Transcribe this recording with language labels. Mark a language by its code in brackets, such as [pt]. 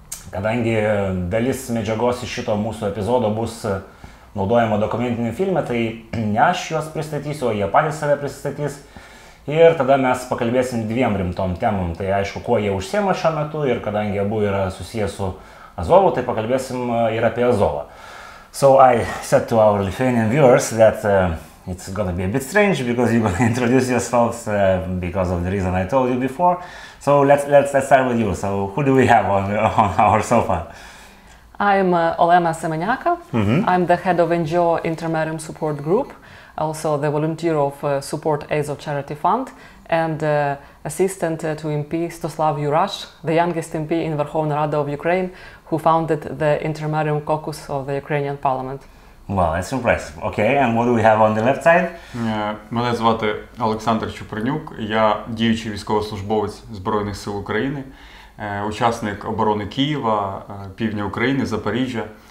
[lt] Kadangi dalis medžiagos iš šito mūsų epizodo bus naudojama dokumentiniam filme, tai ne aš juos pristatysiu, o jie patys save pristatys. Ir tada mes pakalbėsim dviem rimtom temom. Tai aišku, kuo jie užsiema šiuo metu ir kadangi abu yra susijęs su Azovu, tai pakalbėsim ir apie Azovą. [en] So I said to our Lithuanian viewers that it's going to be a bit strange because you're going to introduce yourselves because of the reason I told you before. So let's start with you. So who do we have on our sofa? I'm Olena Semenyaka. Mm-hmm. I'm the head of NGO Intermariumą support group, also the volunteer of support Azov charity fund and assistant to MP Stoslav Jurash, the youngest MP in Verkhovna Rada of Ukraine, who founded the Intermariumą caucus of the Ukrainian parliament. Well, that's impressive. Okay, and what do we have on the left side? [uk] Мене звати Олександр Чупринюк, я діючий військовослужбовець Збройних сил України, учасник оборони Києва, півдня України, Запоріжжя.